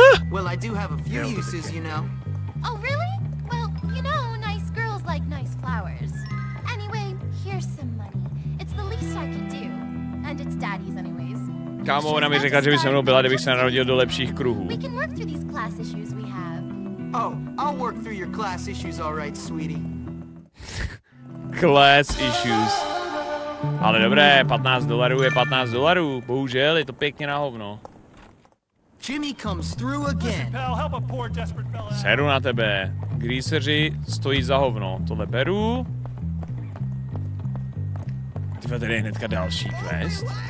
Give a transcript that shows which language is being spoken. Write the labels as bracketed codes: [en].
[en] Well, I do have a few uses, you know. Oh, really? Well, you know, nice girls like nice flowers. Anyway, here's some money. It's the least I can do. And it's daddy's anyways. [cs] Kámo, ona mi řekla, že by se mnou byla, kdybych se narodil do lepších kruhů. [en] We can work through these class issues we have. Oh, I'll work through your class issues, all right, sweetie. Class issues. [cs] Ale dobré, $15 je $15. Bohužel, je to pěkně na hovno. [en] Jimmy comes through again. [cs] Seru na tebe. Greaseri stojí za hovno. Tohle beru. Tyhle tady je hnedka další quest.